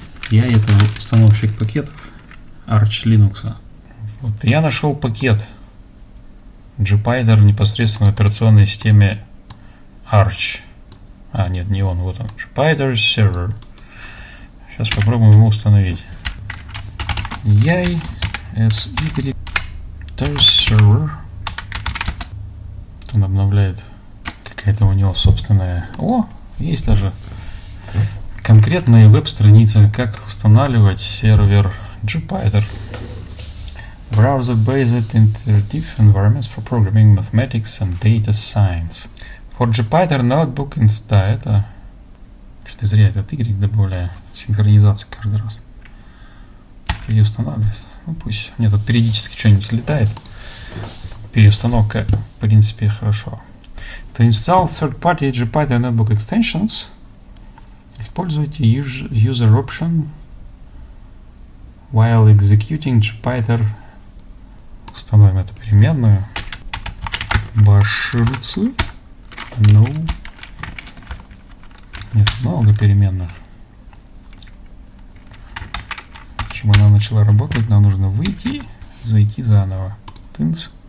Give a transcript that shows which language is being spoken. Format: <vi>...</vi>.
<ru>Я это установщик пакетов Arch Linux. Вот я нашел пакет Jupyter непосредственно в операционной системе Arch. А, нет, не он, вот он. Jupyter Server. Сейчас попробуем его установить. Яй, SY, Jupyter Server. Он обновляет. Какая-то у него собственная. О, есть даже конкретная веб-страница, как устанавливать сервер Jupyter.</ru> <en>Browser-based interactive environments for programming, mathematics and data science. For Jupyter notebook install.</en> <ru>Это что-то зря этот Y добавляю. Синхронизацию каждый раз. Переустанавливается. Ну пусть. Нет, тут периодически что-нибудь летает. Переустановка, в принципе, хорошо.</ru> <en>To install third-party Jupyter Notebook extensions, используйте user option while executing Jupyter.</en> <ru>Установим эту переменную. Башрцы. Ну. Нет, много переменных. Чем она начала работать, нам нужно выйти, зайти заново. Тынц.</ru>